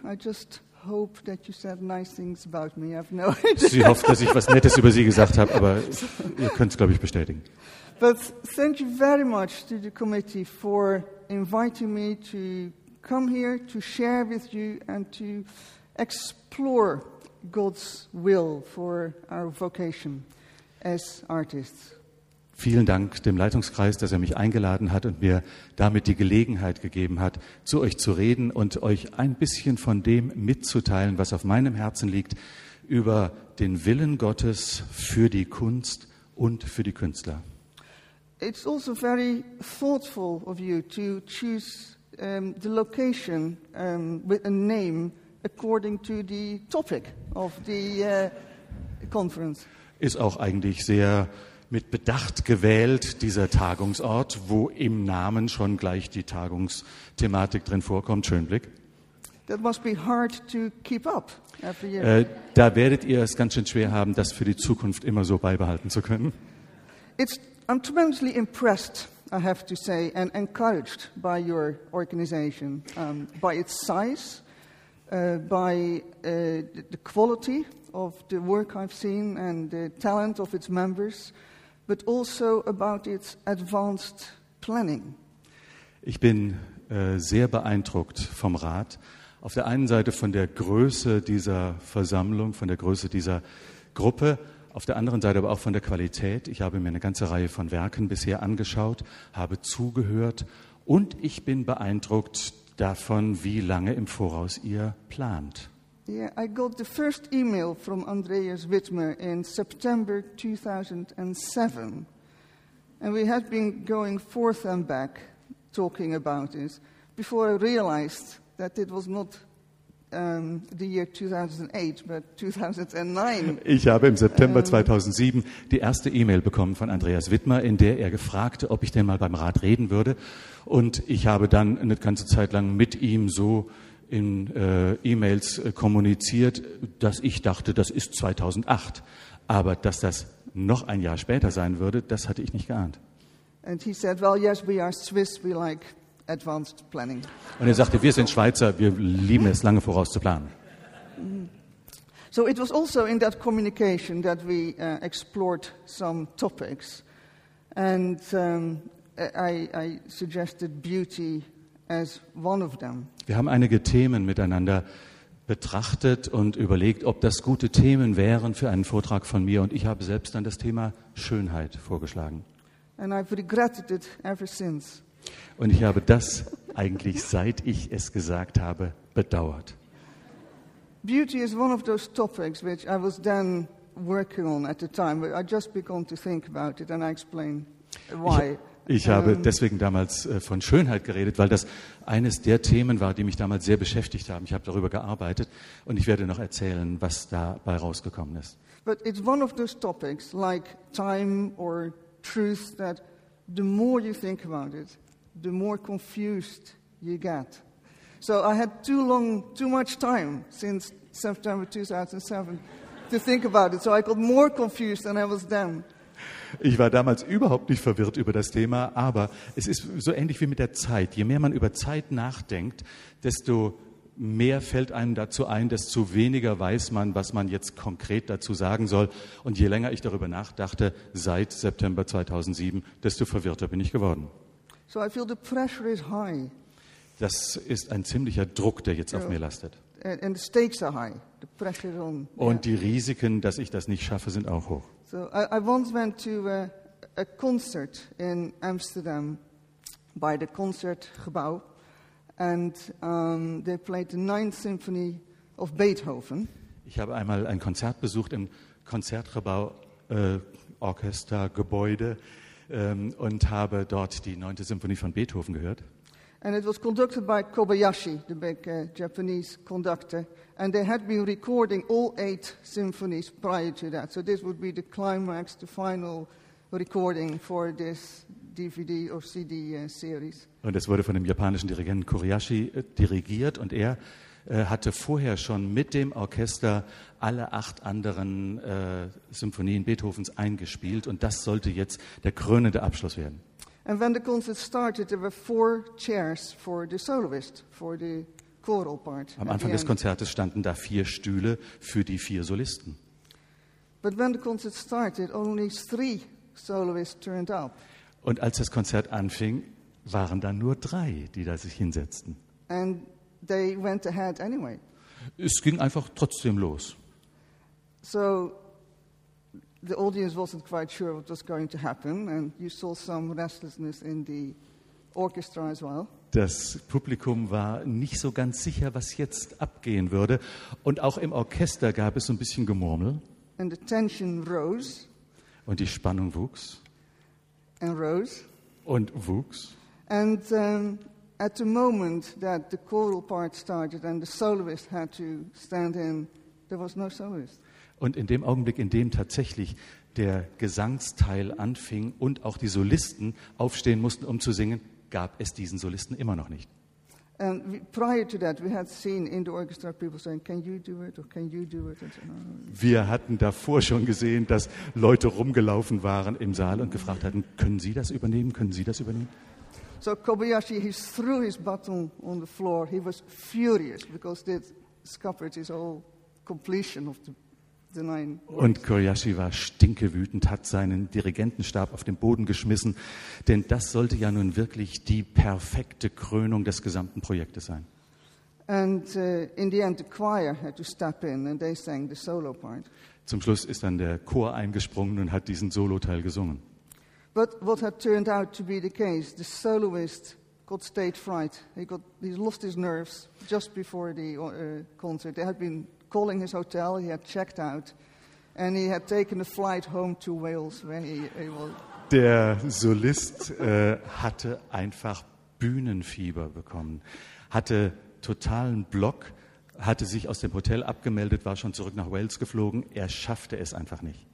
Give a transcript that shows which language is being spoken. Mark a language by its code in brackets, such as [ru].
[en] I just hope that you said nice things about me. I have no idea. [de] Sie hofft, dass ich was Nettes über Sie gesagt habe, aber ihr könnt es, glaube ich, bestätigen. [en] But thank you very much to the committee for inviting me to come here to share with you and to explore God's will for our vocation as artists. [de] Vielen Dank dem Leitungskreis, dass er mich eingeladen hat und mir damit die Gelegenheit gegeben hat, zu euch zu reden und euch ein bisschen von dem mitzuteilen, was auf meinem Herzen liegt, über den Willen Gottes für die Kunst und für die Künstler. [en] It's also very thoughtful of you to choose the location with a name according to the topic of the conference. [de] Ist auch eigentlich sehr mit Bedacht gewählt, dieser Tagungsort, wo im Namen schon gleich die Tagungsthematik drin vorkommt. Schönen Blick. [en] That must be hard to keep up after you. [de] Da werdet ihr es ganz schön schwer haben, das für die Zukunft immer so beibehalten zu können. [en] I'm tremendously impressed, I have to say, and encouraged by your organization, by its size, by the quality of the work I've seen and the talent of its members, but also about its advanced planning. [de] Ich bin sehr beeindruckt vom Rat. Auf der einen Seite von der Größe dieser Versammlung, von der Größe dieser Gruppe, auf der anderen Seite aber auch von der Qualität. Ich habe mir eine ganze Reihe von Werken bisher angeschaut, habe zugehört und ich bin beeindruckt davon, wie lange im Voraus ihr plant. [en] Yeah, I got the first email from Andreas Widmer in September 2007. And we had been going forth and back talking about this before I realized that it was not the year 2008, but 2009. [de] Ich habe im September 2007 die erste E-Mail bekommen von Andreas Widmer, in der er gefragt, ob ich denn mal beim Rat reden würde. Und ich habe dann eine ganze Zeit lang mit ihm so in E-Mails kommuniziert, dass ich dachte, das ist 2008. Aber dass das noch ein Jahr später sein würde, das hatte ich nicht geahnt. [en] And he said, well, yes, we are Swiss, we like advanced planning. [de] Und er sagte, wir sind Schweizer, wir lieben es, lange voraus zu planen. [en] So it was also in that communication that we explored some topics. And I suggested beauty as one of them. [de] Wir haben einige Themen miteinander betrachtet und überlegt, ob das gute Themen wären für einen Vortrag von mir. Und ich habe selbst dann das Thema Schönheit vorgeschlagen. [en] And I've regretted it ever since. [de] Und ich habe das eigentlich, seit ich es gesagt habe, bedauert. [en] Beauty is one of those topics which I was then working on at the time, but I just began to think about it and I explain why. [de] Ich habe deswegen damals von Schönheit geredet, weil das eines der Themen war, die mich damals sehr beschäftigt haben. Ich habe darüber gearbeitet und ich werde noch erzählen, was dabei rausgekommen ist. [en] But it's one of those topics like time or truth that the more you think about it, the more confused you get. So I had too much time since September 2007 to think about it. So I got more confused than I was then. [de] Ich war damals überhaupt nicht verwirrt über das Thema, aber es ist so ähnlich wie mit der Zeit. Je mehr man über Zeit nachdenkt, desto mehr fällt einem dazu ein, desto weniger weiß man, was man jetzt konkret dazu sagen soll. Und je länger ich darüber nachdachte, seit September 2007, desto verwirrter bin ich geworden. [en] So I feel the pressure is high. [de] Das ist ein ziemlicher Druck, der jetzt auf mir lastet. [en] And the stakes are high. The pressure on, yeah. [de] Und die Risiken, dass ich das nicht schaffe, sind auch hoch. [en] So I once went to a concert in Amsterdam by the Concertgebouw and they played the Ninth Symphony of Beethoven. [de] Ich habe einmal ein Konzert besucht im Konzertgebouw Orchestergebäude und habe dort die 9. Symphonie von Beethoven gehört. [en] And it was conducted by Kobayashi, the big Japanese conductor. And they had been recording all 8 symphonies prior to that. So this would be the climax, the final recording for this DVD or CD series. [de] Und es wurde von dem japanischen Dirigenten Kobayashi dirigiert. Und er hatte vorher schon mit dem Orchester alle 8 anderen Symphonien Beethovens eingespielt. Und das sollte jetzt der krönende Abschluss werden. [en] And when the concert started, there were 4 chairs for the soloist, for the choral part. [de] Am Anfang des Konzertes standen da 4 Stühle für die 4 Solisten. [en] But when the concert started, only 3 soloists turned up. [de] Und als das Konzert anfing, waren da nur 3, die da sich hinsetzten. [en] And they went ahead anyway. [de] Es ging einfach trotzdem los. [en] So the audience wasn't quite sure what was going to happen and you saw some restlessness in the orchestra as well. [de] Das Publikum war nicht so ganz sicher, was jetzt abgehen würde und auch im Orchester gab es so ein bisschen Gemurmel. [en] And the tension rose. [de] Und die Spannung wuchs. [en] And rose. [de] Und wuchs. [en] And at the moment that the choral part started and the soloist had to stand in, there was no soloist. [de] Und in dem Augenblick, in dem tatsächlich der Gesangsteil anfing und auch die Solisten aufstehen mussten, um zu singen, gab es diesen Solisten immer noch nicht. [en] And prior to that, we had seen in the orchestra people saying, can you do it or can you do it? And so, [de] wir hatten davor schon gesehen, dass Leute rumgelaufen waren im Saal und gefragt hatten, können Sie das übernehmen, können Sie das übernehmen? [en] So Kobayashi, he threw his baton on the floor. He was furious because this scuppered his whole completion of the... [de] Und Kobayashi war stinkewütend, hat seinen Dirigentenstab auf den Boden geschmissen, denn das sollte ja nun wirklich die perfekte Krönung des gesamten Projektes sein. [en] And in the end the choir had to step in and they sang the solo part. [de] Zum Schluss ist dann der Chor eingesprungen und hat diesen Soloteil gesungen. [en] But what had turned out to be the case, the soloist got stage fright. He lost his nerves just before the concert. They had been calling his hotel, he had checked out and he had taken a flight home to Wales where he was. [de] Der Solist hatte einfach Bühnenfieber bekommen, hatte totalen Block, hatte sich aus dem Hotel abgemeldet, war schon zurück nach Wales geflogen, er schaffte es einfach nicht.